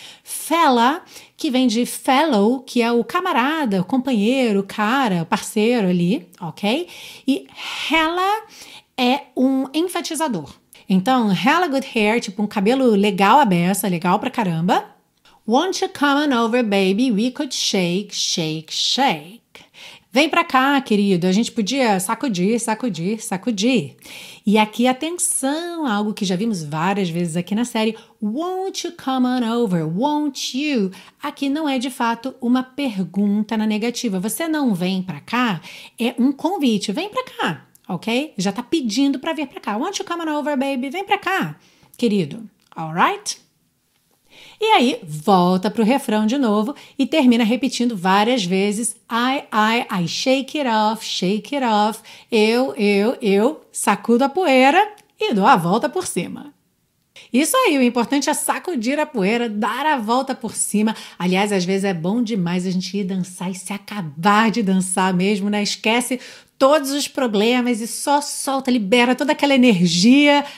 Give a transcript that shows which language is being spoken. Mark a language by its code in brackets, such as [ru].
[pt] Fella, que vem de fellow, que é o camarada, o companheiro, o cara, o parceiro ali, ok? E hella é um enfatizador. Então, [en] hella good hair, [pt] tipo um cabelo legal à beça, legal pra caramba. [en] Won't you come on over, baby? We could shake, shake, shake. [pt] Vem pra cá, querido. A gente podia sacudir, sacudir, sacudir. E aqui, atenção, algo que já vimos várias vezes aqui na série. [en] Won't you come on over? Won't you? [pt] Aqui não é, de fato, uma pergunta na negativa. Você não vem pra cá? É um convite. Vem pra cá, ok? Já tá pedindo pra vir pra cá. [en] Won't you come on over, baby? [pt] Vem pra cá, querido. All right? E aí, volta pro refrão de novo e termina repetindo várias vezes. [en] I shake it off, shake it off. [pt] Eu sacudo a poeira e dou a volta por cima. Isso aí, o importante é sacudir a poeira, dar a volta por cima. Aliás, às vezes é bom demais a gente ir dançar e se acabar de dançar mesmo, né? Esquece todos os problemas e só solta, libera toda aquela energia.